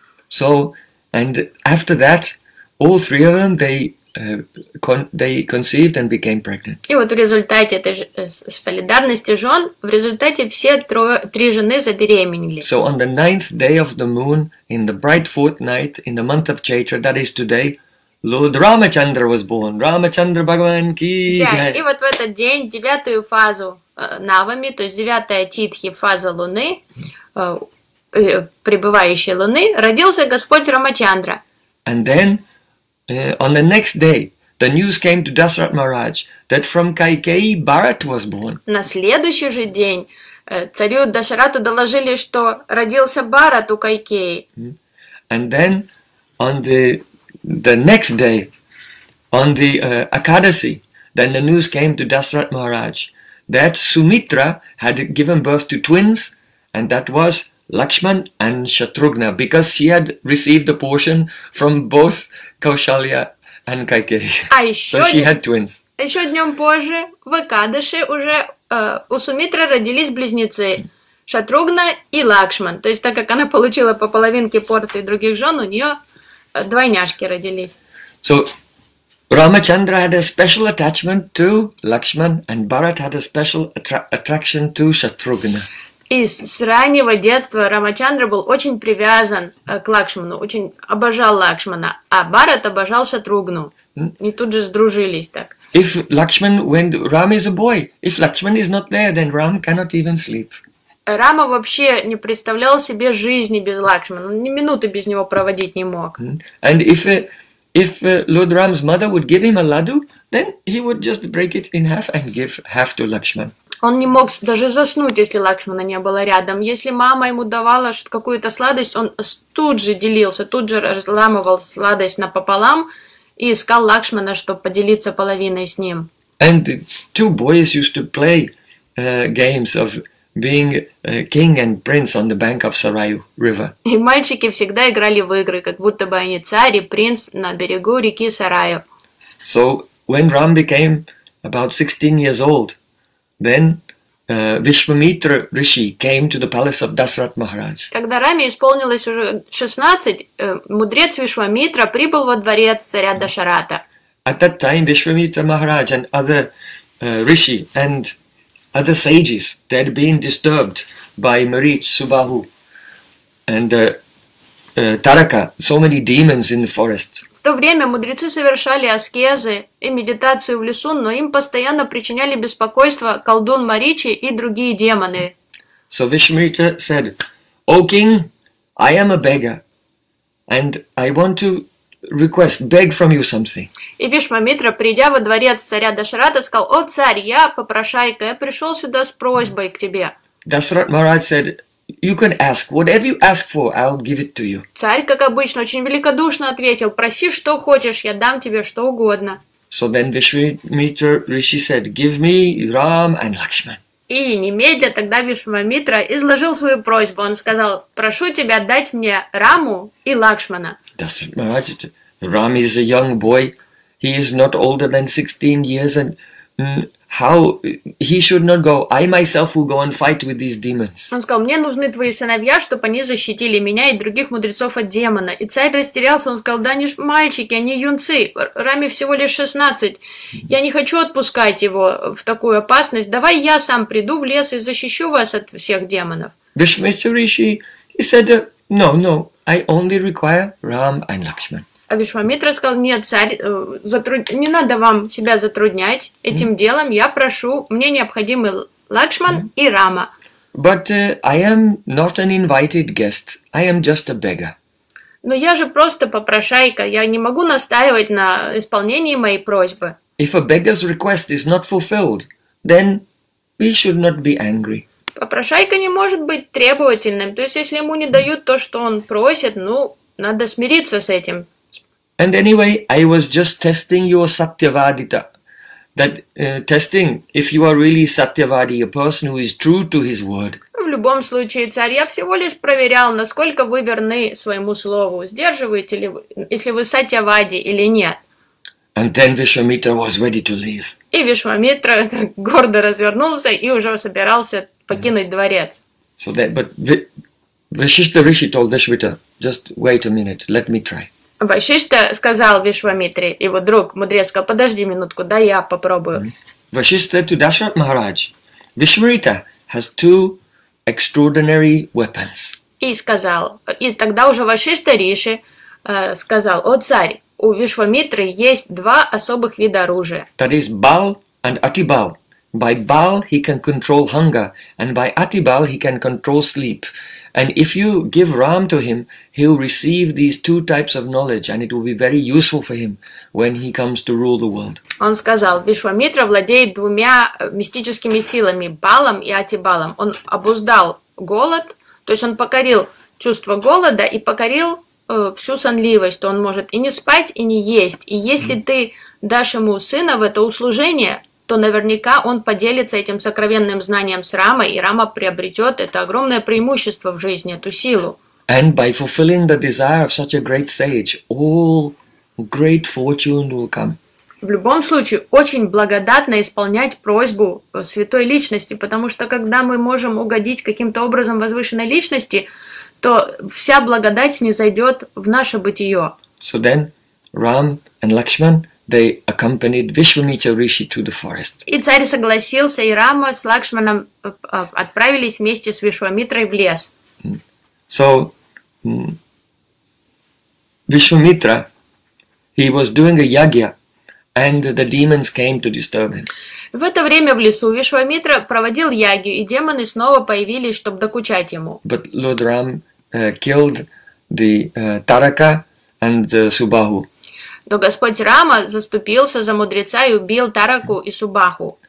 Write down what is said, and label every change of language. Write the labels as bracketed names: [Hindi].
[English] So, and after that, all three of them, they conceived and became pregnant. [Russian] И вот в результате этой солидарности жен, в результате все три жены забеременели. [English] So on the ninth day of the moon, in the bright fortnight, in the month of Chaitra, that is today, Lord Ramachandra was born. [Hindi] Ramachandra Bhagavan ki jai. [Russian] И вот в этот день, девятую фазу Навами, то есть девятая титхи, фаза Луны, пребывающей Луны, родился Господь Рамачандра. [English] And then, on the next day, the news came to Dasarat Maharaj that from Кайкеи Bharat was born. [Russian] На следующий же день царю Дашарату доложили, что родился Bharat у Кайкеи. [English] And then, on the next day, on the Akadasi, then the news came to Dasarat Maharaj that Sumitra had given birth to twins, and that was Lakshman and Shatrughna, because she had received a portion from both Kaushalya and Kaikeyi. So she had twins. [Russian] Еще днем позже, в Акадаши, уже у Сумитры родились близнецы Шатругна и Лакшман. То есть, так как она получила по половинке порции других жен, у нее двойняшки родились. [English] So Ramachandra had a special attachment to Lakshman, and Bharat had a special attraction to Shatrughna. [Russian] И с раннего детства Рамачандра был очень привязан к Лакшману, очень обожал Лакшмана, а Бхарат обожал Шатругну. И тут же сдружились так. [English] If Lakshman, when Ram is a boy, if Lakshman is not there, then Ram cannot even sleep. [Russian] Рама вообще не представлял себе жизни без Лакшмана, ни минуты без него проводить не мог. [English] And if Lord Ram's mother would give him a ladu, then he would just break it in half and give half to Lakshman. [Russian] Он не мог даже заснуть, если Лакшмана не было рядом. Если мама ему давала какую-то сладость, он тут же делился, тут же разламывал сладость напополам и искал Лакшмана, чтобы поделиться половиной с ним. [English] And the two boys used to play games of being king and prince on the bank of Sarayu River. [Russian] И мальчики всегда играли в игры, как будто бы они царь и принц на берегу реки Сараю. [English] So when Ram became about 16 years old, then Vishvamitra Rishi came to the palace of Dasarat Maharaj. [Russian] Когда Раме исполнилось уже 16, мудрец Вишвамитра прибыл во дворец царя Дашарата. [English] At that time, Vishvamitra Maharaj and other Rishi and other sages, they had been disturbed by Marich, Subahu, and Taraka, so many demons in the forest. [Russian] В то время мудрецы совершали аскезы и медитацию в лесу, но им постоянно причиняли беспокойство колдун Маричи и другие демоны. [English] So Vishvamitra said, "O king, I am a beggar, and I want to request, beg from you something." [Russian] И Вишвамитра, придя во дворец царя Дашарата, сказал: "О царь, я попрошайка, я пришел сюда с просьбой к тебе." [English] Дасарат Махарадж said, "You can ask whatever you ask for, I'll give it to you." [Russian] Царь, как обычно, очень великодушно ответил: "Проси, что хочешь, я дам тебе что угодно." [English] So then Vishvamitra Rishi said, "Give me Ram and Lakshman." [Russian] И немедля тогда Вишвамитра изложил свою просьбу. Он сказал: "Прошу тебя дать мне Раму и Лакшмана." [English] Dasarath Maharaj, Ram is a young boy, he is not older than 16 years, and how he should not go, I myself will go and fight with these demons. [Russian] Он сказал: "Мне нужны твои сыновья, чтобы они защитили меня и других мудрецов от демона." И царь растерялся, он сказал: "Да они ж мальчики, они юнцы, Раме всего лишь 16, я не хочу отпускать его в такую опасность, давай я сам приду в лес и защищу вас от всех демонов." [English] Vishvamitra Rishi, he said, "No, no, I only require Ram and Lakshman." [Russian] А Вишвамитра сказал: "Нет, царь, не надо вам себя затруднять этим делом. Я прошу, мне необходимы Лакшман и Рама." [English] But I am not an invited guest. I am just a beggar. [Russian] Но я же просто попрошайка. Я не могу настаивать на исполнении моей просьбы. [English] If a beggar's request is not fulfilled, then we should not be angry. [Russian] Попрошайка не может быть требовательным. То есть, если ему не дают то, что он просит, ну, надо смириться с этим. [English] And anyway, I was just testing your satyavadita. That testing, if you are really satyavadi, a person who is true to his word. [Russian] В любом случае, царь, я всего лишь проверял, насколько вы верны своему слову. Сдерживаете ли вы, если вы сатьявади или нет. [English] And then Vishwamitra was ready to leave. [Russian] И Вишвамитра гордо развернулся и уже собирался покинуть дворец. [English] So that, but Vishishta Rishi told Vishwamitra, just wait a minute, let me try. [Russian] Вашишта сказал Вишвамитре, его друг, мудрец, сказал, подожди минутку, да я попробую. [English] Вашишта to Дашарат Махарадж, Вишвамитра has two extraordinary weapons. [Russian] И сказал, и тогда уже Вашишта Риши сказал, о царь, у Вишвамитры есть два особых вида оружия. [English] That is Bal and Atibal. By Bal he can control hunger, and by Atibal he can control sleep. And if you give Ram to him, he'll receive these two types of knowledge, and it will be very useful for him when he comes to rule the world. [Russian] Он сказал, Вишвамитра владеет двумя мистическими силами, Балом и Атибалом. Он обуздал голод, то есть он покорил чувство голода и покорил всю сонливость, то он может и не спать, и не есть. И если ты дашь ему сына в это услужение, то наверняка он поделится этим сокровенным знанием с Рамой, и Рама приобретет это огромное преимущество в жизни, эту силу. [English] And by fulfilling the desire of such a great sage, all great fortune will come. [Russian] В любом случае, очень благодатно исполнять просьбу святой личности, потому что когда мы можем угодить каким-то образом возвышенной личности, то вся благодать снизойдет в наше бытие. [English] So then, Ram and Lakshman, they accompanied Vishwamitra Rishi to the forest. [Russian] И царь согласился, и Рама с Лакшманом отправились вместе с Вишвамитрой в лес. [English] So, Vishwamitra, he was doing a yagya, and the demons came to disturb him. [Russian] В это время в лесу Вишвамитра проводил ягью, и демоны снова появились, чтобы докучать ему. [English] But Lord Ram killed the Тарака and the Субаху. [Russian] Но Господь Рама заступился за мудреца и убил Тараку и Субаху.